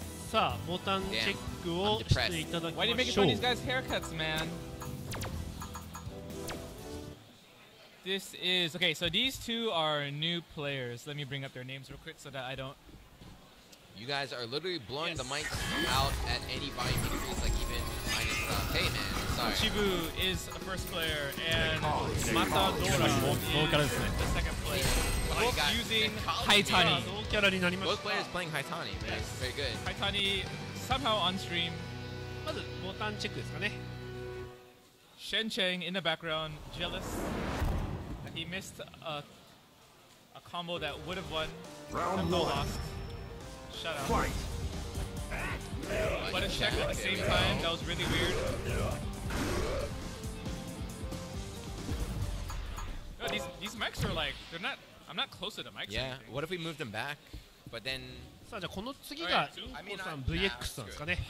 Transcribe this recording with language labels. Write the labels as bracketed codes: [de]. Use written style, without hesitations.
[ja] さあ、ボタンチェックをしていただきましょう。 [en] Why are you making fun of these guys' haircuts, man? This is okay. So these two are new players. Let me bring up their names real quick so that I don't. You guys are literally blowing yes. the mics out at any volume increase, like even minus the hey man, sorry. Uchibu is a first player, and Matadora is the second player. Both using Haitani. Both players playing Haitani, man. Yes. Very good. Haitani somehow on stream. First, button check [ja] ですかね [en] Shen Cheng in the background, jealous. He missed a combo that would have won, but no lost. Shut up. But a check at the same time, that was really weird. No, these mics are like, they're not, I'm not close to the mics. Yeah, what if we move them back? But then. [ja] さあ、じゃあこの次が、インコさん VX なんですかね。